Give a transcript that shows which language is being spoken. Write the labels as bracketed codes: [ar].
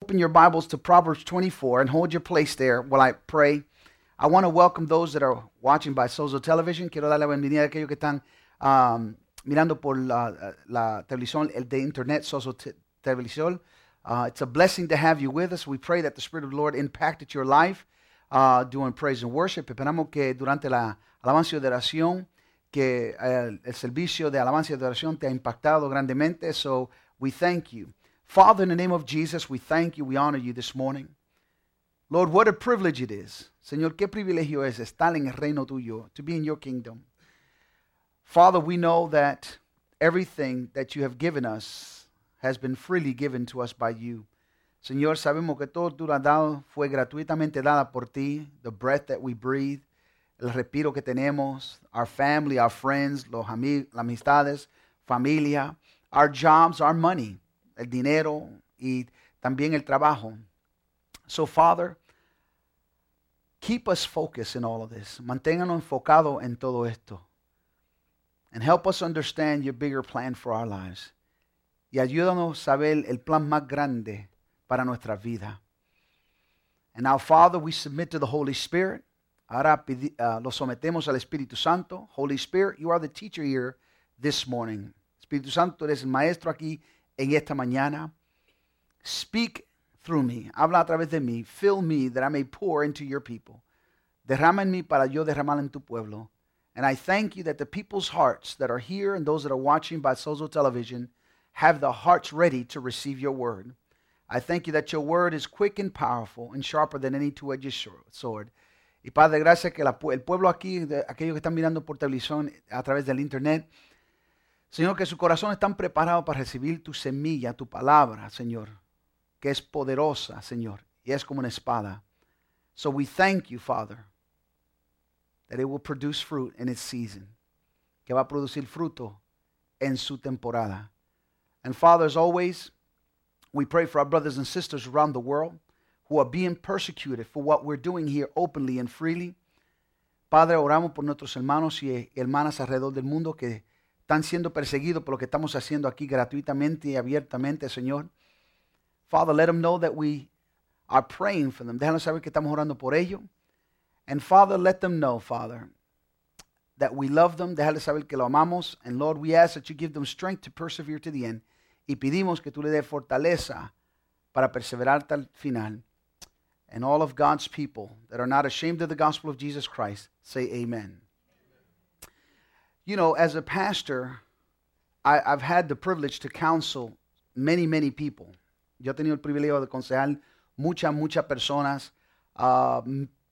[en] open your Bibles to Proverbs 24 and hold your place there while I pray. I want to welcome those that are watching by Sozo Television. [es] Quiero darle la bienvenida a aquellos que están mirando por la televisión, el de internet, Sozo Television. [en] It's a blessing to have you with us. We pray that the Spirit of the Lord impacted your life during praise and worship. [es] Esperamos que durante la alabanza y adoración, que el servicio de alabanza y adoración te ha impactado grandemente. [en] So we thank you. Father, in the name of Jesus, we thank you, we honor you this morning. Lord, what a privilege it is. [es] Señor, qué privilegio es estar en el reino tuyo, [en] to be in your kingdom. Father, we know that everything that you have given us has been freely given to us by you. [es] Señor, sabemos que todo tú lo has dado fue gratuitamente dada por ti, [en] the breath that we breathe, [es] el respiro que tenemos, [en] our family, our friends, [es] las amistades, familia, [en] our jobs, our money, [es] el dinero y también el trabajo. [en] So, Father, keep us focused in all of this. [es] Manténganos enfocados en todo esto. [en] And help us understand your bigger plan for our lives. [es] Y ayúdanos a saber el plan más grande para nuestra vida. [en] And now, Father, we submit to the Holy Spirit. [es] Ahora lo sometemos al Espíritu Santo. [en] Holy Spirit, you are the teacher here this morning. [es] Espíritu Santo, eres el maestro aquí en esta mañana. [en] Speak through me. [es] Habla a través de mí. [en] Fill me that I may pour into your people. [es] Derrama en mí para yo derramar en tu pueblo. [en] And I thank you that the people's hearts that are here and those that are watching by Sozo Television have the hearts ready to receive your word. I thank you that your word is quick and powerful and sharper than any two-edged sword. [es] Y Padre, gracias que el pueblo aquí, aquellos que están mirando por televisión a través del internet, Señor, que su corazón está preparado para recibir tu semilla, tu palabra, Señor, que es poderosa, Señor, y es como una espada. [en] So we thank you, Father, that it will produce fruit in its season, [es] que va a producir fruto en su temporada. [en] And Father, as always, we pray for our brothers and sisters around the world who are being persecuted for what we're doing here openly and freely. [es] Padre, oramos por nuestros hermanos y hermanas alrededor del mundo que están siendo perseguidos por lo que estamos haciendo aquí gratuitamente y abiertamente, Señor. [en] Father, let them know that we are praying for them. [es] Déjanos saber que estamos orando por ellos. [en] And Father, let them know, Father, that we love them. [es] Déjale saber que lo amamos. [en] And Lord, we ask that you give them strength to persevere to the end. [es] Y pedimos que tú le des fortaleza para perseverar hasta el final. [en] And all of God's people that are not ashamed of the gospel of Jesus Christ, say amen. You know, as a pastor, I've had the privilege to counsel many, many people. [es] Yo he tenido el privilegio de aconsejar muchas personas.